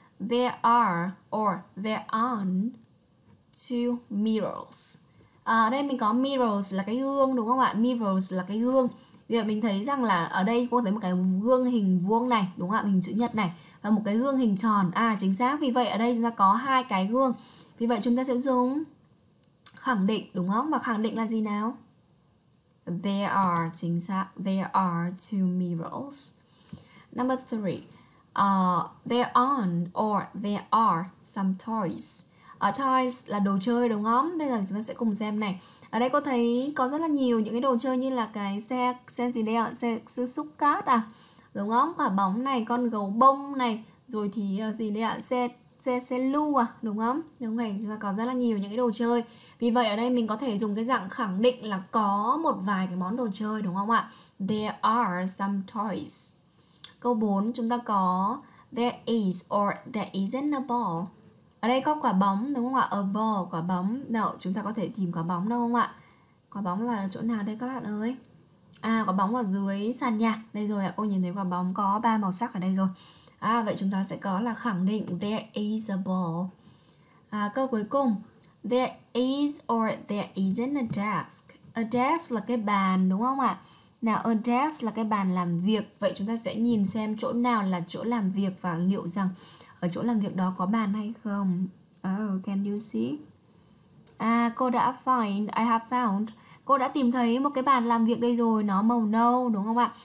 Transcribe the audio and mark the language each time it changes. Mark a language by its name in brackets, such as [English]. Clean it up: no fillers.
[English] There are or there aren't two mirrors. [Vietnamese] Ở đây mình có mirrors là cái gương, đúng không ạ? Mirrors là cái gương. Vì vậy mình thấy rằng là ở đây cô thấy một cái gương hình vuông này, đúng không ạ? Hình chữ nhật này và một cái gương hình tròn. Chính xác. Vì vậy ở đây chúng ta có hai cái gương. Vì vậy chúng ta sẽ dùng khẳng định, đúng không? Và khẳng định là gì nào? [English] There are, [Vietnamese] chính xác. [English] There are two mirrors. Number 3. There aren't or there are some toys. [Vietnamese] Toys là đồ chơi, đúng không? Bây giờ chúng ta sẽ cùng xem này. Ở đây cô thấy có rất là nhiều những cái đồ chơi như là cái xe gì đây ạ? Xe xúc cát đúng không? Quả bóng này, con gấu bông này, rồi thì gì đấy ạ? Xe xe xe lu à, đúng không? Đúng rồi, chúng ta có rất là nhiều những cái đồ chơi. Vì vậy ở đây mình có thể dùng cái dạng khẳng định là có một vài cái món đồ chơi, đúng không ạ? [English] There are some toys. [Vietnamese] Câu 4 chúng ta có [English] there is or there isn't a ball. [Vietnamese] Ở đây có quả bóng đúng không ạ? [English] A ball, [Vietnamese] quả bóng. Đâu, chúng ta có thể tìm quả bóng đâu không ạ? Quả bóng là ở chỗ nào đây các bạn ơi? À, quả bóng ở dưới sàn nhà. Đây rồi ạ, cô nhìn thấy quả bóng có 3 màu sắc ở đây rồi. À, vậy chúng ta sẽ có là khẳng định [English] there is a ball. [Vietnamese] À, câu cuối cùng. [English] There is or there isn't a desk. A desk [Vietnamese] là cái bàn đúng không ạ? Nào, a desk là cái bàn làm việc. Vậy chúng ta sẽ nhìn xem chỗ nào là chỗ làm việc và liệu rằng ở chỗ làm việc đó có bàn hay không. [English] Oh, can you see? [Vietnamese] À, cô đã [English] find, I have found. [Vietnamese] Cô đã tìm thấy một cái bàn làm việc đây rồi, nó màu nâu đúng không ạ?